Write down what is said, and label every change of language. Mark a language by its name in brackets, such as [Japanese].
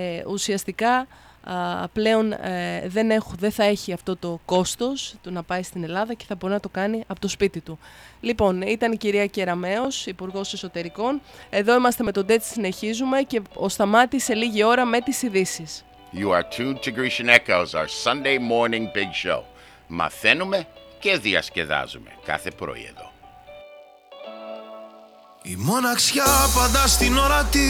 [Greek] Ουσιαστικά πλέον δεν θα έχει αυτό το κόστος του να πάει στην Ελλάδα και θα μπορεί να το κάνει από το σπίτι του. Λοιπόν, ήταν η κυρία Κεραμέως, Υπουργός Εσωτερικών. Εδώ είμαστε με τον Τέτσι, συνεχίζουμε και ο Σταμάτης σε λίγη ώρα με τις ειδήσεις. [English] You are tuned to Grecian Echoes, our Sunday morning big show. [Greek] Μαθαίνουμε και διασκεδάζουμε κάθε πρωί εδώ. Η μοναξιά πάντα στην ώρα τη.